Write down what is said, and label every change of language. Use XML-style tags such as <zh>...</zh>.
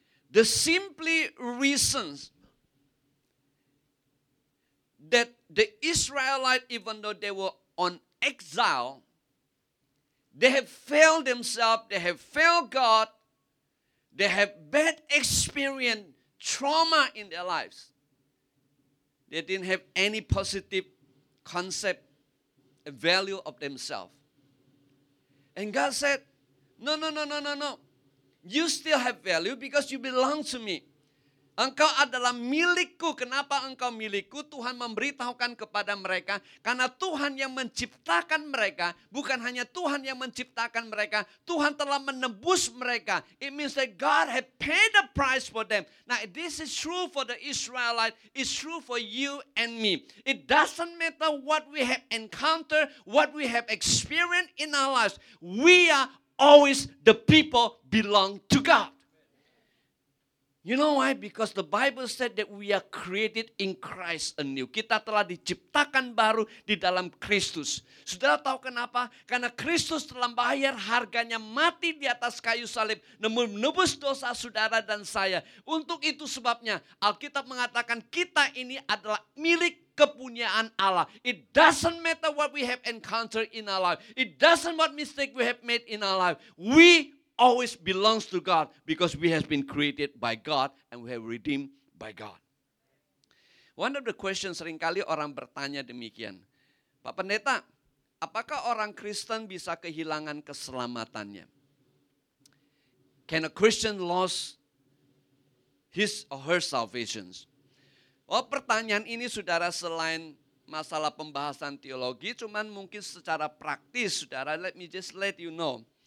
<en>The simply reasons that the Israelites, even though they were on exile, they have failed themselves, they have failed God, they have bad experience, trauma in their lives. They didn't have any positive concept, value of themselves. And God said, no, you still have value because you belong to me.</en> <id>Engkau adalah milikku. Kenapa engkau milikku? Tuhan memberitahukan kepada mereka. Karena Tuhan yang menciptakan mereka. Bukan hanya Tuhan yang menciptakan mereka. Tuhan telah menebus mereka.</id> <en>It means that God had paid the price for them. Now this is true for the Israelites. It's true for you and me. It doesn't matter what we have encountered. What we have experienced in our lives. We are always the people belong to God. You know why? Because the Bible said that we are created in Christ anew.</en> <id>Kita telah diciptakan baru di dalam Kristus. Saudara tahu kenapa? Karena Kristus telah bayar harganya mati di atas kayu salib. Namun menebus dosa saudara dan saya. Untuk itu sebabnya Alkitab mengatakan kita ini adalah milik kepunyaan Allah.</id> <en>It doesn't matter what we have encountered in our life. It doesn't what mistake we have made in our life. We always belongs to God because we have been created by God and we have redeemed by God. One of the questions</en> <id>seringkali orang bertanya demikian. Pak Pendeta, apakah orang Kristen bisa kehilangan keselamatannya?</id> <en>Can a Christian lose his or her salvation?</en> <id>Oh, pertanyaan ini saudara selain masalah pembahasan teologi, cuman mungkin secara praktis saudara,</id> <en>let me just let you know.</en>